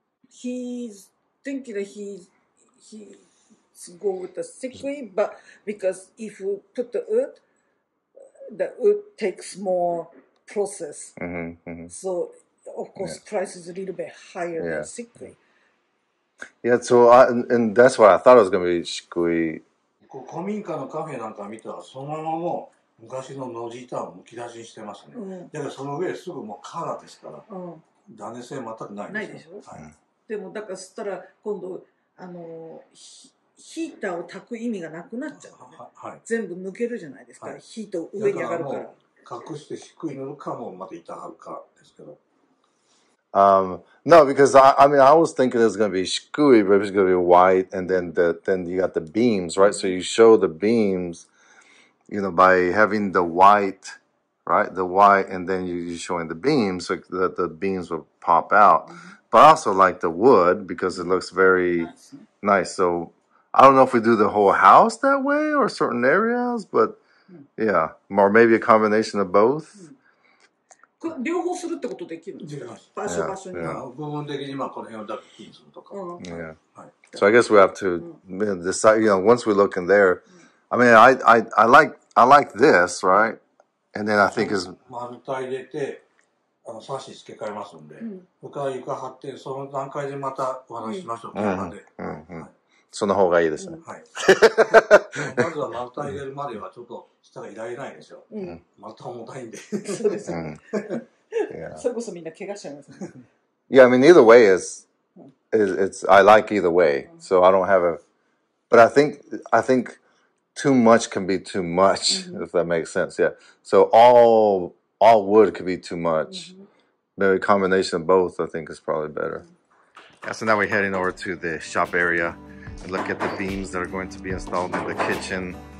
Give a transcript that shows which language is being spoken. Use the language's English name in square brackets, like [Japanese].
[English] He's thinking that he's go with the 漆喰, but because if you put the wood takes more process. Mm-hmm, mm-hmm. So of course, yeah. price is a little bit higher than 漆喰. Yeah. So and that's what I thought it was going to be 漆喰. [Japanese] 古民家のカフェなんか見たらそのままもう昔の野地板をむき出しにしてますね、うん、だからその上すぐもうカーラですから、うん、断熱性全くないんですよ。ないでしょ、はい、でもだからそしたら今度ヒーターを焚く意味がなくなっちゃう、ね、はい、全部抜けるじゃないですか、はい、ヒート上に上がるから、だからもう隠して漆喰塗るかもまた板張るかですけど、 [English] No, because I mean, I was thinking it's going to be 漆喰, but it's going to be white, and then you got the beams, right? So you show the beams, you know, by having the white, right? The white, and then you're showing the beams, so that the beams will pop out. Mm-hmm. But I also like the wood, because it looks very nice. So I don't know if we do the whole house that way, or certain areas, but yeah, or maybe a combination of both. Mm-hmm. [Japanese] 両方するってことできるの？場所、場所に、部分的にまあこの辺をダッキングするとか、 [English] yeah. はい、So I guess we have to、うん、decide, you know, once we look in there、うん、I mean, I like this, right? And then I think is [Japanese] 丸太入れて、サッシ付け替えますんで、うん、他は床張って、その段階でまたお話しましょう、うん、まで、うんうん、はい、その方がいいですね、うん、はい、でもまずは丸太入れるまではちょっと下がいられないんですよ、うん、また重たいんでそうですね、うん、 [English] yeah. [Japanese] それこそみんな怪我しちゃいますね。 [English] Yeah, I mean, either way is I like either way, so I don't have a, but I think too much can be too much, if that makes sense. Yeah, so all wood could be too much. Maybe a combination of both, I think, is probably better. Yeah, so now we're heading over to the shop area and look at the beams that are going to be installed in the kitchen.